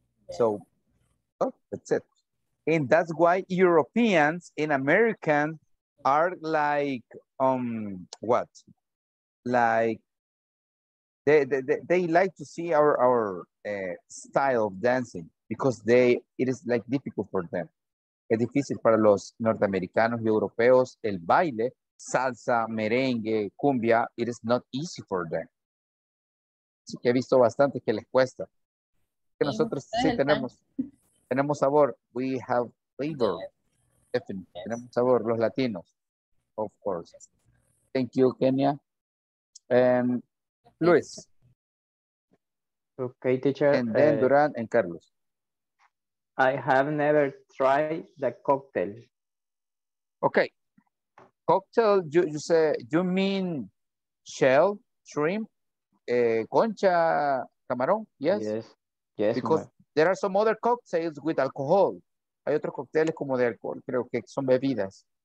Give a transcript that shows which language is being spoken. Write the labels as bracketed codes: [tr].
[en] So, oh, that's it. And that's why Europeans and Americans are like, what? Like, they like to see our style of dancing because it is like difficult for them. [es] Es difícil para los norteamericanos y europeos el baile. [en] Salsa, merengue, cumbia, it is not easy for them. [es] Así que he visto bastante que les cuesta. Que nosotros sí tenemos sabor. [en] We have flavor. Yeah. Definitely. Yes. [es] Tenemos sabor, los latinos. [en] Of course. Yes. Thank you, Kenya. And Luis. Okay, teacher. And then Durán and Carlos. I have never tried the cocktail. Okay. Cocktail, you say, you mean shell, shrimp, concha, camarón, yes? Yes, yes. Because there are some other cocktails with alcohol. [es] Hay otros cócteles como de alcohol, creo que son bebidas.